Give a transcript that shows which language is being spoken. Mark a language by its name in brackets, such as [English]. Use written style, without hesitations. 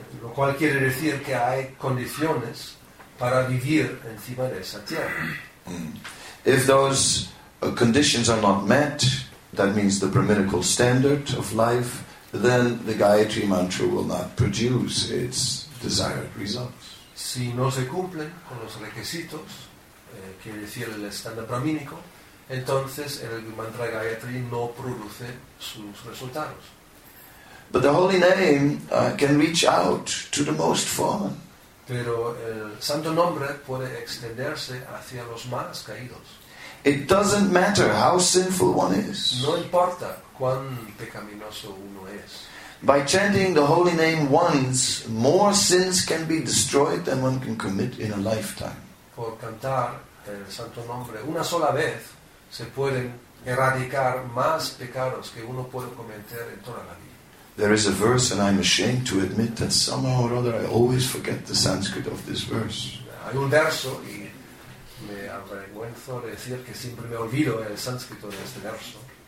[Spanish] Lo cual quiere decir que hay condiciones para vivir encima de esa tierra. [English] If those conditions are not met, that means the Brahminical standard of life, then the Gayatri mantra will not produce its desired results. [Spanish] Si no se cumplen con los requisitos, quiere decir el estándar brahmínico, entonces el mantra Gayatri no produce sus resultados. [English] But the holy name can reach out to the most fallen. [Spanish] Pero el santo nombre puede extenderse hacia los más caídos. [English] It doesn't matter how sinful one is. [Spanish] No importa cuán pecaminoso uno es. [English] By chanting the holy name once, more sins can be destroyed than one can commit in a lifetime. [Spanish] Por cantar el santo nombre una sola vez, se pueden erradicar más pecados que uno puede cometer en toda la vida. [English] There is a verse, and I'm ashamed to admit that somehow or other I always forget the Sanskrit of this verse. [Spanish] Hay un verso, y me avergüenzo de decir que siempre me olvido el sánscrito de este verso.